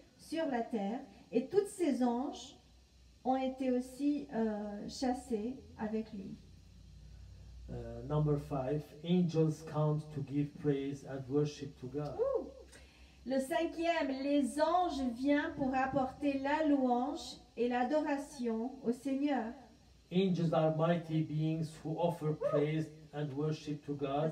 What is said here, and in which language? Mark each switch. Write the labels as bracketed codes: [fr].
[fr] sur la terre, et toutes ses anges ont été aussi chassés avec lui. [en] Number 5, angels come to give praise and worship to God. [fr] Le cinquième, les anges viennent pour apporter la louange et l'adoration au Seigneur. [en] Angels are mighty beings who offer praise and worship to God.